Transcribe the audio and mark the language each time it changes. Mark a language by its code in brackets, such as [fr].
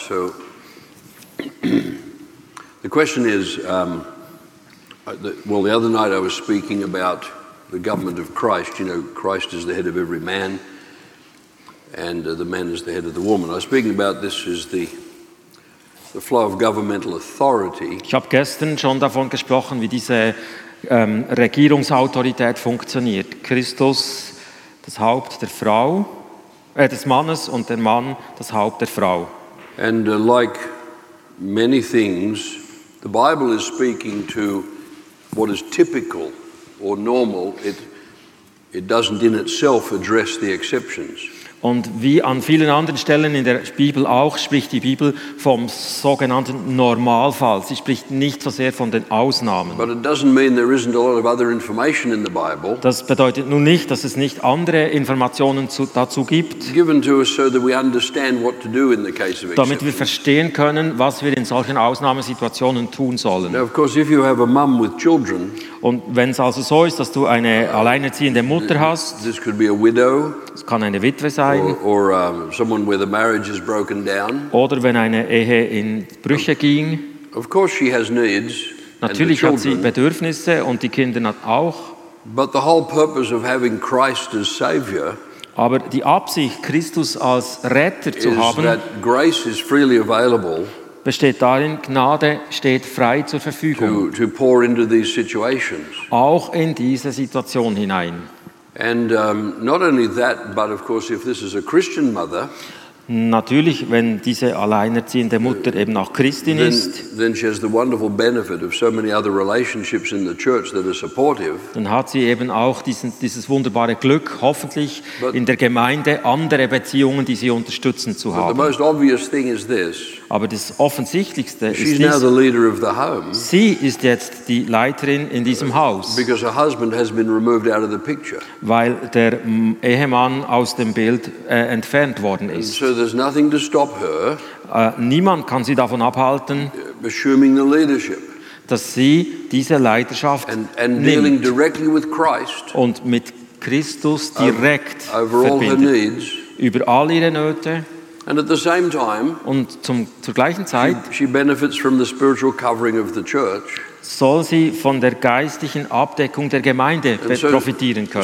[en] So the question is, the other night I was speaking about the government of Christ. You know, Christ is the head of every man, and the man is the head of the woman. I was speaking about this as the flow of governmental authority. [de] Ich habe gestern schon davon gesprochen, wie diese Regierungsautorität funktioniert. Christus, das Haupt der Frau, des Mannes und der Mann, das Haupt der Frau. [en] And like many things, the Bible is speaking to what is typical or normal. It doesn't in itself address the exceptions. [de] Und wie an vielen anderen Stellen in der Bibel auch, spricht die Bibel vom sogenannten Normalfall. Sie spricht nicht so sehr von den Ausnahmen. [en] But it doesn't mean there isn't a lot of other information in the Bible. [de] Das bedeutet nun nicht, dass es nicht andere Informationen dazu gibt. [en] Given to us so that we understand what to do in the case of exception. [de] Damit wir verstehen können, was wir in solchen Ausnahmesituationen tun sollen. [en] Now, of course, if you have a mum with children. [de] Und wenn es also so ist, dass du eine alleinerziehende Mutter hast, [en] this could be a widow. [de] Es kann eine Witwe sein. [en] Or someone where the marriage is broken down. [de] Oder wenn eine Ehe in Brüche ging. [en] Of course she has needs. [de] Natürlich hat sie Bedürfnisse und die Kinder auch. [en] But the whole purpose of having Christ as Savior. [de] Aber die Absicht, Christus als Retter zu haben, [en] is that grace is freely available. [de] Besteht darin, Gnade steht frei zur Verfügung. [en] To pour into these situations. [de] Auch in diese Situation hinein. [en] And not only that, but of course, if this is a Christian mother, [de] natürlich, wenn diese alleinerziehende Mutter eben auch Christin ist, [en] then she has the wonderful benefit of so many other relationships in the church that are supportive. [de] Dann hat sie eben auch dieses wunderbare Glück, hoffentlich in der Gemeinde andere Beziehungen, die sie unterstützen zu haben. [en] The most obvious thing is this. [de] Aber das Offensichtlichste ist, [en] she's now the leader of the home. [de] Sie ist jetzt die Leiterin in diesem Haus. [en] Because her husband has been removed out of the picture. [de] Weil der Ehemann aus dem Bild entfernt worden ist. [en] So there's nothing to stop her. [de] Niemand kann sie davon abhalten, [en] assuming the leadership. [de] Dass sie diese Leiterschaft [en] and dealing directly with Christ. [de] Und mit Christus direkt [en] over all [de] verbindet. [en] Her needs. [de] Über all ihre Nöte. [en] And at the same time, [de] und zur gleichen Zeit, [en] she benefits from the spiritual covering of the church. [de] Soll sie von der geistlichen Abdeckung der Gemeinde profitieren können.